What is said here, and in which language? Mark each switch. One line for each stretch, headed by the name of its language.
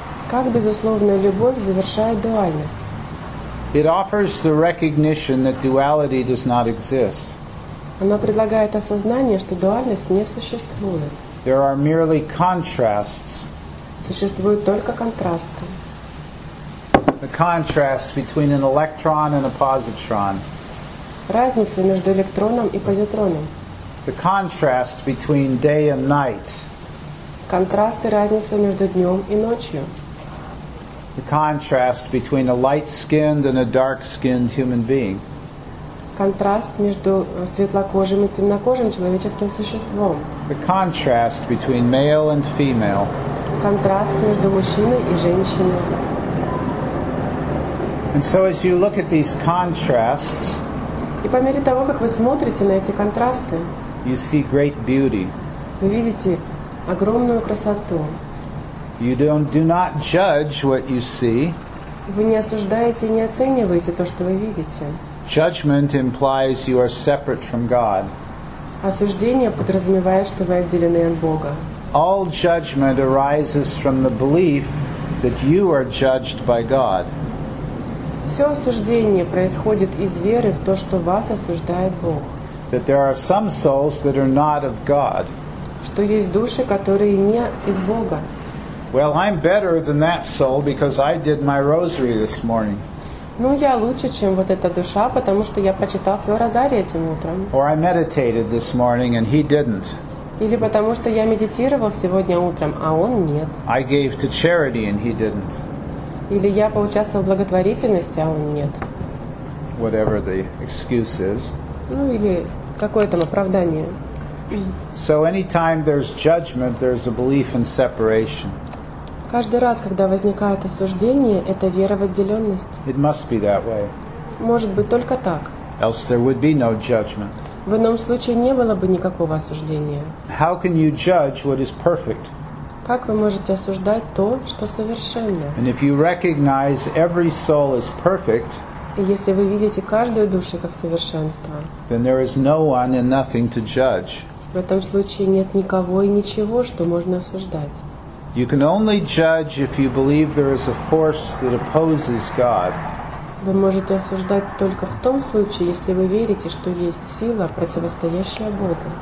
Russian: Как безусловная любовь завершает дуальность?
English: It offers the recognition that duality does not exist.
Russian: Она предлагает осознание, что дуальность не существует.
English: There are merely contrasts.
Russian: Существуют только контрасты.
English: The contrast between an electron and a positron.
Russian: Разница между электроном и позитроном.
English: The contrast between day and night.
Russian: Контраст и разница между днем и ночью.
English: The contrast between a light-skinned and a dark-skinned human being.
Russian: Контраст между светлокожим и темнокожим человеческим существом.
English: The contrast between male and female.
Russian: Контраст между мужчиной и женщиной.
English: And so as you look at these contrasts,
Russian: и по мере того, как вы смотрите на эти контрасты,
English: you see great beauty.
Russian: Вы видите огромную красоту.
English: You do not judge what you see.
Russian: Вы не осуждаете и не оцениваете то, что вы видите.
English: Judgment implies you are separate from God.
Russian: Осуждение подразумевает, что вы отделены от Бога.
English: All judgment arises from the belief that you are judged by God.
Russian: Все осуждение происходит из веры в то, что вас осуждает Бог.
English: That there are some souls that are not of God.
Russian: Что есть души, которые не из Бога.
English: Well, I'm better than that soul because I did my rosary this morning.
Russian: Ну, я лучше, чем вот эта душа, потому что я прочитал свой розарий этим утром.
English: Or I meditated this morning and he didn't.
Russian: Или потому что я медитировал сегодня утром, а он нет.
English: I gave to charity and he didn't.
Russian: Или я поучаствовал в благотворительности, а он нет.
English: Whatever the excuse is.
Russian: Ну, или какое-то оправдание.
English: So anytime there's judgment, there's a belief in separation.
Russian: Каждый раз, когда возникает осуждение, это вера в отделенность.
English: It must be that way.
Russian: Может быть, только так.
English: Else there would be no judgment.
Russian: В ином случае не было бы никакого осуждения.
English: How can you judge what is perfect?
Russian: Как вы можете осуждать то, что совершенно?
English: And if you recognize every soul is perfect,
Russian: и если вы видите каждую душу как совершенство,
English: then there is no one and nothing to judge.
Russian: В этом случае нет никого и ничего, что можно осуждать.
English: You can only judge if you believe there is a force that opposes God.
Russian: Вы можете осуждать только в том случае, если вы верите, что есть сила, противостоящая Богу.